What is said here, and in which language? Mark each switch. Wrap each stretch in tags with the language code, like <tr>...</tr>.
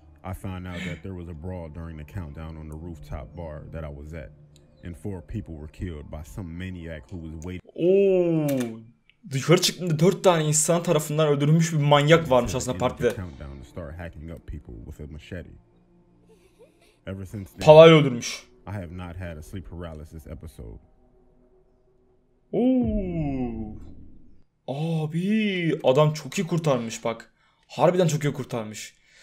<en>I found out that there was a brawl during the countdown on the rooftop bar that I was at, and four people were killed by some maniac who was waiting.</en> <tr>Oo, dışarı çıktığında 4 tane insan tarafından öldürülmüş bir manyak varmış aslında partide.</tr> <en>Countdown started hacking up people with a machete. Ever since then,</en> <tr>palayla öldürmüş.</tr> <en>I have not had a sleep paralysis episode.</en> <tr>Oo, abi, adam çok iyi kurtarmış bak, harbiden çok iyi kurtarmış.</tr>